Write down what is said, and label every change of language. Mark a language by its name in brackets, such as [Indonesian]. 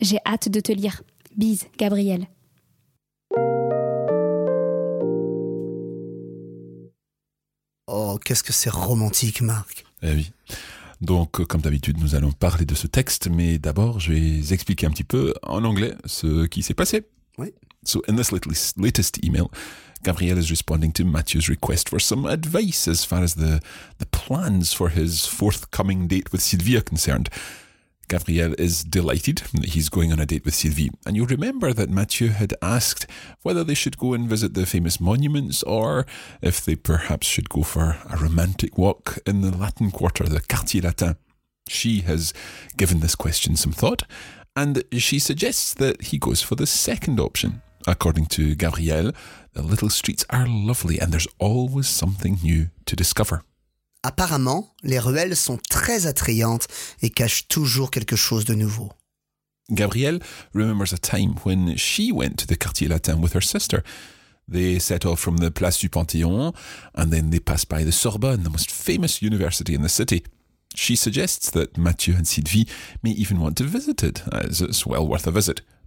[French] J'ai hâte de te lire. Bise, Gabriel. Oh, qu'est-ce que c'est romantique, Marc. Eh oui. Donc, comme d'habitude, nous allons parler de ce texte, mais d'abord, je vais expliquer un petit peu en anglais ce qui s'est passé. Oui. [English] So, in this latest email, Gabriel is responding to Mathieu's request for some advice as far as the plans for his forthcoming date with Sylvie are concerned. Gabriel is delighted that he's going on a date with Sylvie. And you'll remember that Mathieu had asked whether they should go and visit the famous monuments or if they perhaps should go for a romantic walk in the Latin Quarter, the Quartier Latin. She has given this question some thought and she suggests that he goes for the second option. According to Gabriel, the little streets are lovely and there's always something new to discover. [French] Apparemment, les ruelles sont très attrayantes et cachent toujours quelque chose de nouveau. [English] Gabrielle remembers a time when she went to the Quartier Latin with her sister. They set off from the Place du Panthéon and then they passed by the Sorbonne, the most famous university in the city. She suggests that Mathieu and Sylvie may even want to visit it, as it's well worth a visit.